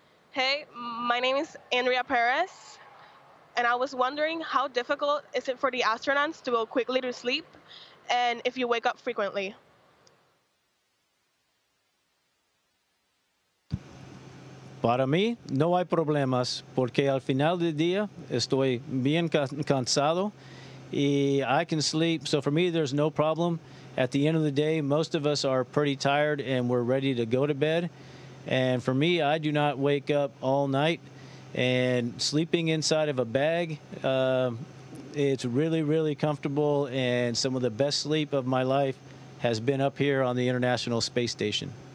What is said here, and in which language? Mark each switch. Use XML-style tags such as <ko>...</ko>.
<en>Hey, my name is Andrea Perez, and I was wondering how difficult is it for the astronauts to go quickly to sleep and if you wake up frequently?</en> <es>Para mí, no hay problemas, porque al final del día estoy bien cansado y</es> <en>I can sleep. So for me, there's no problem. At the end of the day, most of us are pretty tired and we're ready to go to bed. And for me, I do not wake up all night. And sleeping inside of a bag, it's really, really comfortable. And some of the best sleep of my life has been up here on the International Space Station.</en>